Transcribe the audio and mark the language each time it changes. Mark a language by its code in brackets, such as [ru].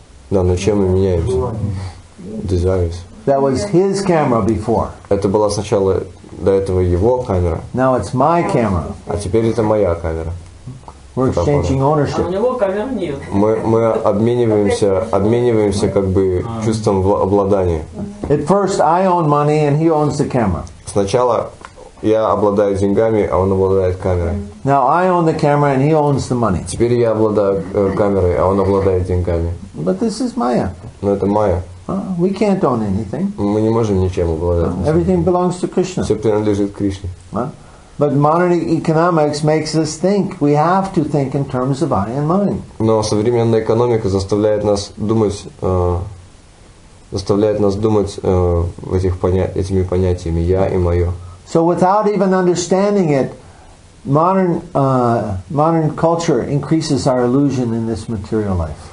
[ru] Да, но чем мы меняемся? Desires. [en] That was his camera before. [ru] Это была сначала до этого его камера. [en] Now it's my camera. [ru] А теперь это моя камера. [en] We're exchanging ownership. [ru] Мы обмениваемся как бы чувством обладания. [en] At first I own money and he owns the camera. [ru] Сначала я обладаю деньгами, а он обладает камерой. [en] Now I own the camera and he owns the money. [ru] Теперь я обладаю камерой, а он обладает деньгами. [en] But this is Maya. [ru] Но это Maya. [en] We can't own anything. [ru] Мы не можем ничем обладать. [en] Everything belongs to Krishna. [ru] Все принадлежит Кришне. [en] But modern economics makes us think. We have to think in terms of I and mine. [ru] Но современная экономика заставляет нас думать в этих этими понятиями я и мое. [en] So without even understanding it, modern culture increases our illusion in this material life.